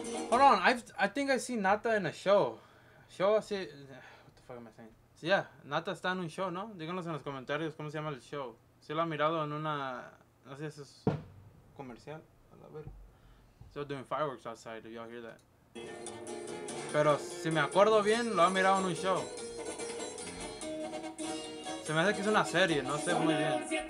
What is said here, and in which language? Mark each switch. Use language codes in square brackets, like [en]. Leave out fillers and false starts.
[en] Hold on, I think I see Nata in a show. Show, así. What the fuck am I saying? So yeah, [es] Nata está en un show, ¿no? Díganos en los comentarios cómo se llama el show. Si lo ha mirado en una. No sé si es comercial. A la ver. [en] Still doing fireworks outside, if y'all hear that. [es] Pero si me acuerdo bien, lo ha mirado en un show. Se me hace que es una serie, no sé muy bien.